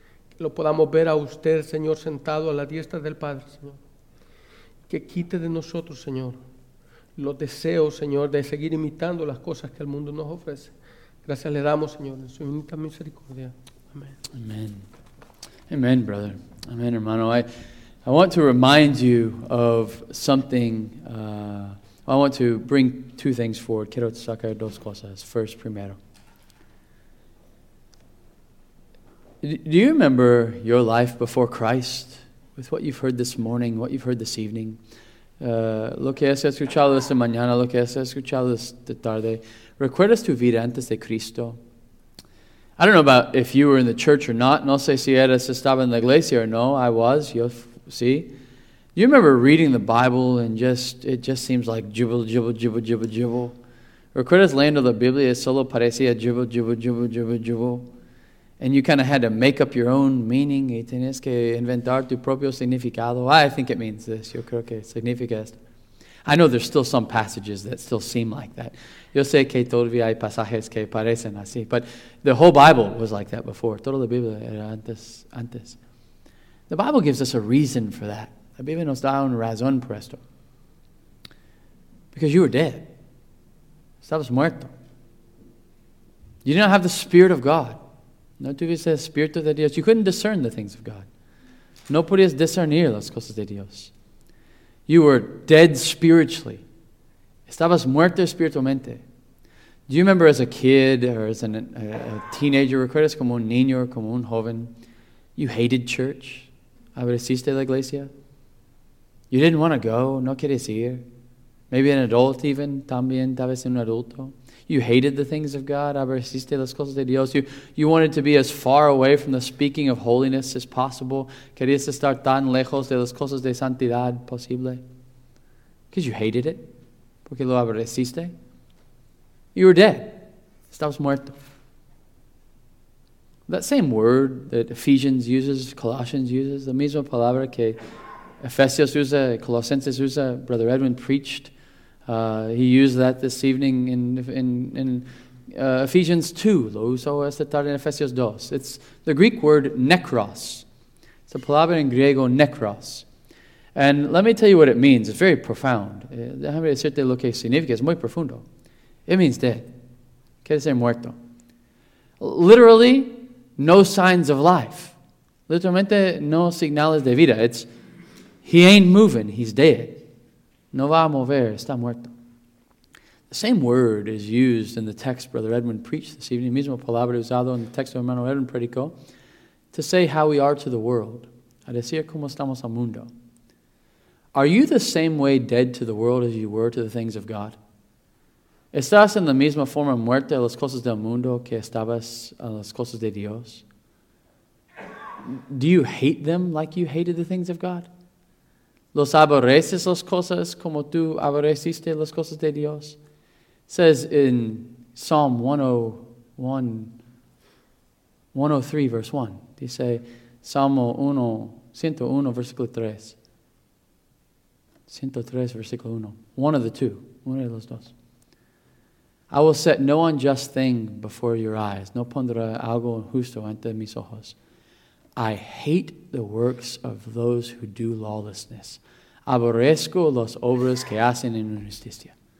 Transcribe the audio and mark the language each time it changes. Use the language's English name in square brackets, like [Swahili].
[Spanish] Que lo podamos ver a usted, Señor, sentado a la diestra del Padre, Señor. Que quite de nosotros, Señor, los deseos, Señor, de seguir imitando las cosas que el mundo nos ofrece. Gracias le damos, Señor, en su infinita misericordia. Amén. [English] Amén. Amen, brother. Amen, hermano. I want to remind you of something. I want to bring two things forward. [Spanish] Quiero sacar dos cosas. [English] First, primero. Do you remember your life before Christ with what you've heard this morning, what you've heard this evening? [Spanish] Lo que has escuchado esta mañana, lo que has escuchado esta tarde. ¿Recuerdas tu vida antes de Cristo? [English] I don't know about if you were in the church or not. [Spanish] No sé si eras estaba en la iglesia or no. [English] I was. You remember reading the Bible and it just seems like jibble, jibble, jibble, jibble, jibble. [Spanish] ¿Recuerdas leyendo la Biblia? Solo parecía jibble, jibble, jibble, jibble, jibble. [English] And you kind of had to make up your own meaning. [Spanish] Y tenías que inventar tu propio significado. [English] I think it means this. [Spanish] Yo creo que significa esto. [English] I know there's still some passages that still seem like that. [Spanish] Yo sé que todavía hay pasajes que parecen así. [English] But the whole Bible was like that before. [Spanish] Toda la Biblia era antes. [English] The Bible gives us a reason for that. [Spanish] La Biblia nos da un razón por esto. [English] Because you were dead. [Spanish] Estabas muerto. [English] You didn't have the Spirit of God. [Spanish] No tuviste el Espíritu de Dios. [English] You couldn't discern the things of God. [Spanish] No podías discernir las cosas de Dios. [English] You were dead spiritually. [Spanish] Estabas muerto espiritualmente. [English] Do you remember as a kid or as a teenager, [Spanish] recuerdas como un niño or como un joven, [English] you hated church? [Spanish] ¿Aborreciste la iglesia? [English] You didn't want to go, [Spanish] no querías ir. [English] Maybe an adult even, [Spanish] también, tal vez un adulto. [English] You hated the things of God, [Spanish] ¿aborreciste las cosas de Dios? [English] You wanted to be as far away from the speaking of holiness as possible. [Spanish] ¿Querías estar tan lejos de las cosas de santidad posible? [English] Because you hated it. [Spanish] ¿Porque lo aborreciste? [English] You were dead. [Spanish] Estabas muerto. [English] That same word that Ephesians uses, Colossians uses, the [Spanish] misma palabra que Ephesians usa, Colosenses usa, [English] Brother Edwin preached. He used that this evening in Ephesians 2. [Spanish] Lo usó esta tarde en Ephesians 2. [English] It's the Greek word nekros. It's a [Spanish] palabra en griego, [English] nekros. And let me tell you what it means. It's very profound. [Spanish] Déjame decirte lo que significa. Es muy profundo. [English] It means dead. [Spanish] Quiere decir muerto. [English] Literally, no signs of life. [Spanish] Literalmente, no señales de vida. [English] It's, he ain't moving. He's dead. [Spanish] No va a mover. Está muerto. [English] The same word is used in the text Brother Edmund preached this evening. [Spanish] Mismo palabra usado en el texto hermano Edmund predicó. [English] To say how we are to the world. [Spanish] A decir cómo estamos al mundo. [English] Are you the same way dead to the world as you were to the things of God? [Spanish] ¿Estás en la misma forma muerta a las cosas del mundo que estabas a las cosas de Dios? [English] Do you hate them like you hated the things of God? [Spanish] ¿Los aborreces las cosas como tú aborreciste las cosas de Dios? [English] It says in Psalm 103, verse 1. [Spanish] Dice, Salmo 1, 101, versículo 3. 103, versículo 1. [English] One of the two. [Spanish] Uno de los dos. [English] I will set no unjust thing before your eyes. [Spanish] No pondré algo injusto ante mis ojos. [English] I hate the works of those who do lawlessness. [Spanish] Aborrezco las obras que hacen en injusticia.